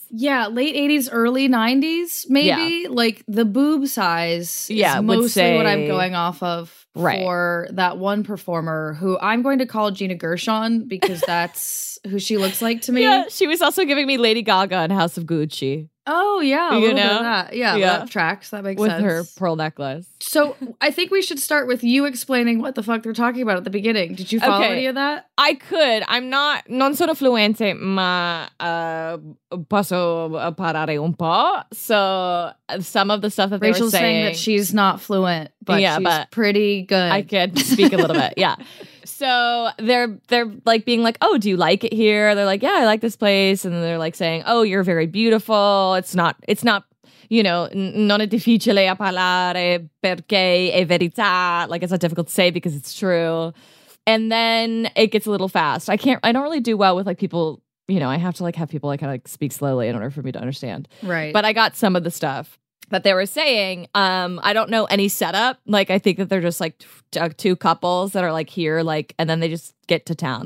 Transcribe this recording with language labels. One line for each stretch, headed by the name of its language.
English: Yeah, late 80s, early 90s, maybe. Yeah. Like the boob size is mostly what I'm going off of for that one performer who I'm going to call Gina Gershon because that's who she looks like to me. Yeah, she was also giving me Lady Gaga in House of Gucci. Oh, yeah. A little bit of that. Yeah, love tracks. That makes sense. With her pearl necklace. So I think we should start with you explaining what the fuck they're talking about at the beginning. Did you follow any of that? I could. I'm not.
Italian: Non sono fluente, ma posso parlare un po'.
English: So some of the stuff that Rachel's they were saying. Rachel's saying that she's not fluent, but she's pretty good. I can speak a little bit. Yeah. So they're like being like, oh, do you like it here? They're like, yeah, I like this place. And they're like saying, oh, you're very beautiful. It's not, you know,
Italian: non è difficile a parlare perché è verità.
English: Like, it's not difficult to say because it's true. And then it gets a little fast. I don't really do well with like people, you know, I have to like have people like kind of like speak slowly in order for me to understand. Right. But I got some of the stuff that they were saying. I don't know any setup. Like, I think that they're just like two couples that are like here, like, and then they just get to town.